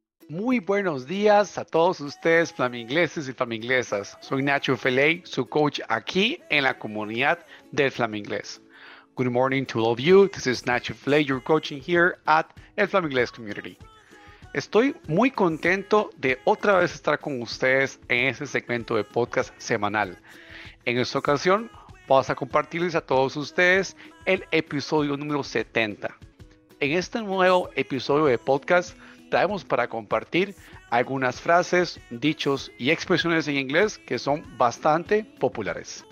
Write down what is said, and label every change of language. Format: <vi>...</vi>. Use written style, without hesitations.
<es>Muy buenos días a todos ustedes, flamingleses y flamingleses. Soy Nacho Feley, su coach aquí en la comunidad del flamingles.</es> <en>Good morning to all of you. This is Nacho Feley, your coaching here at El Flamingles Community.</en> <es>Estoy muy contento de otra vez estar con ustedes en este segmento de podcast semanal. En esta ocasión, vamos a compartirles a todos ustedes el episodio número 70. En este nuevo episodio de podcast, traemos para compartir algunas frases, dichos y expresiones en inglés que son bastante populares.</es>